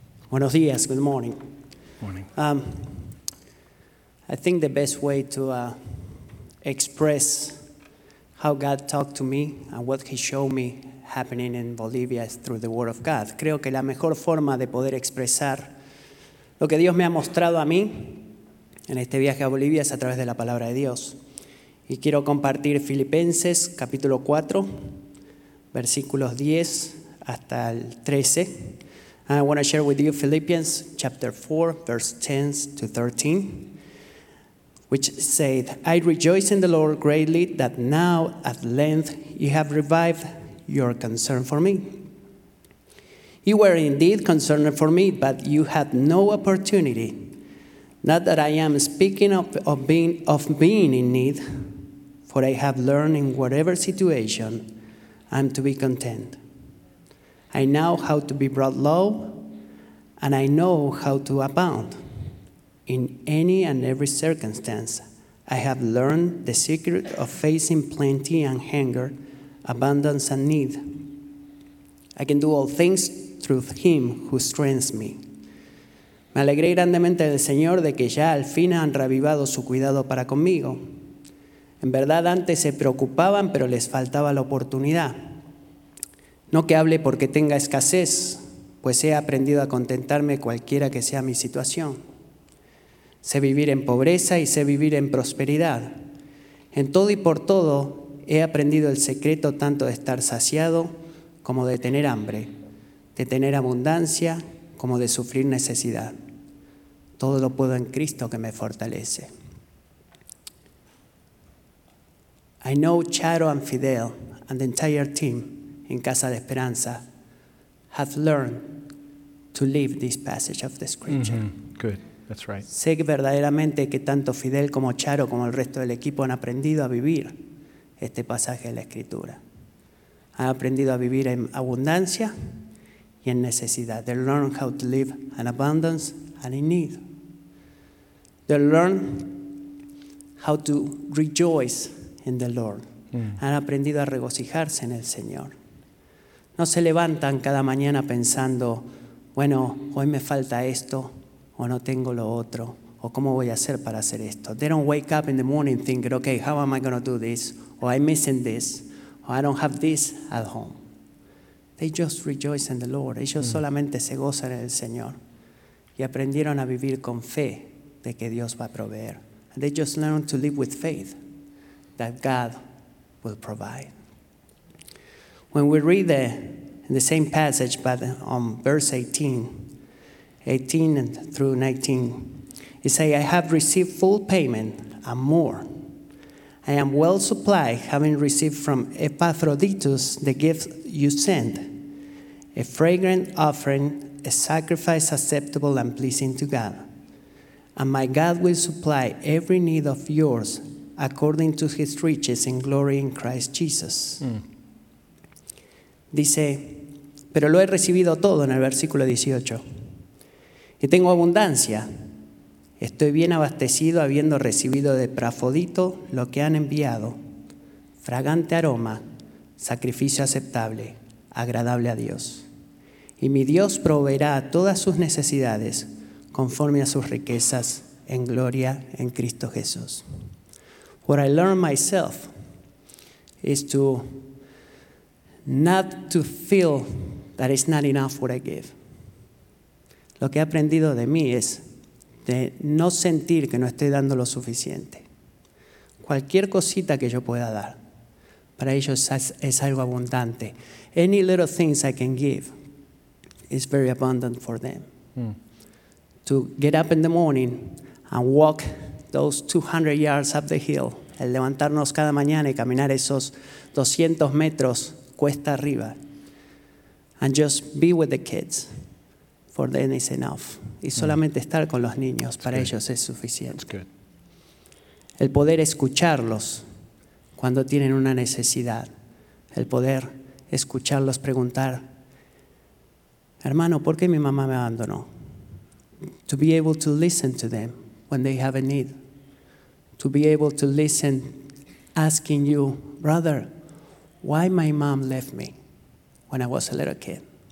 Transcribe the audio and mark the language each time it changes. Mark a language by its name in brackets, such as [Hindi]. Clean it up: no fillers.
[Spanish] Buenos dias. [English] Good morning. Morning. I think the best way to express how God talked to me and what he showed me happening in Bolivia through the Word of God. [Spanish] Creo que la mejor forma de poder expresar lo que Dios me ha mostrado a mí en este viaje a Bolivia es a través de la Palabra de Dios. Y quiero compartir Filipenses capítulo 4, versículos 10 hasta el 13. [English] And I want to share with you Philippians chapter 4, verse 10 to 13, which said, I rejoice in the Lord greatly that now at length you have revived your concern for me. You were indeed concerned for me, but you had no opportunity. Not that I am speaking of being in need, for I have learned in whatever situation I am to be content. I know how to be brought low, and I know how to abound. In any and every circumstance, I have learned the secret of facing plenty and hunger, abundance and need. I can do all things through him who strengthens me. [Spanish] Me alegré grandemente del Señor de que ya al fin han revivado su cuidado para conmigo. En verdad, antes se preocupaban, pero les faltaba la oportunidad. No que hable porque tenga escasez, pues he aprendido a contentarme cualquiera que sea mi situación. Sé vivir en pobreza y sé vivir en prosperidad. En todo y por todo, he aprendido el secreto tanto de estar saciado como de tener hambre, de tener abundancia como de sufrir necesidad. Todo lo puedo en Cristo que me fortalece. [English] I know Charo and Fidel and the entire team in Casa de Esperanza have learned to live this passage of the scripture. Mm-hmm. Good. That's right. [Spanish] Sé que verdaderamente que tanto Fidel como Charo como el resto del equipo han aprendido a vivir este pasaje de la escritura. Han aprendido a vivir en abundancia y en necesidad. [English] They learn how to live in abundance and in need. They learn how to rejoice in the Lord. [Spanish] Mm. Han aprendido a regocijarse en el Señor. No se levantan cada mañana pensando, bueno, hoy me falta esto, o no tengo lo otro, o cómo voy a hacer para hacer esto. [English] They don't wake up in the morning thinking, okay, how am I going to do this? Or I'm missing this, or I don't have this at home. They just rejoice in the Lord. [Spanish] Ellos solamente se gozan en el Señor. Y aprendieron a vivir con fe de que Dios va a proveer. [English] And they just learned to live with faith that God will provide. When we read the same passage, but on verse 18 through 19, it says, I have received full payment and more. I am well supplied, having received from Epaphroditus the gift you sent, a fragrant offering, a sacrifice acceptable and pleasing to God. And my God will supply every need of yours according to his riches and glory in Christ Jesus. Mm. [Spanish] Dice, pero lo he recibido todo en el versículo 18. Y tengo abundancia. Estoy bien abastecido habiendo recibido de Epafrodito lo que han enviado. Fragante aroma, sacrificio aceptable, agradable a Dios. Y mi Dios proveerá todas sus necesidades conforme a sus riquezas en gloria en Cristo Jesús. [English] What I learned myself is to not to feel that it's not enough what I give. [Spanish] Lo que he aprendido de mí es de no sentir que no estoy dando lo suficiente. Cualquier cosita que yo pueda dar, para ellos es algo abundante. [English] Any little things I can give is very abundant for them. To get up in the morning and walk those 200 yards up the hill, [Spanish] el levantarnos cada mañana y caminar esos 200 metros cuesta arriba, [English] and just be with the kids, for them is enough. [Spanish] Y solamente estar con los niños, [English] That's [Spanish] para [English] good. [Spanish] Ellos es suficiente. [English] That's good. [Spanish] El poder escucharlos cuando tienen una necesidad, el poder escucharlos preguntar, hermano, ¿por qué mi mamá me abandonó? [English] To be able to listen to them when they have a need. To be able to listen asking you, brother, why my mom left me when I was a little kid?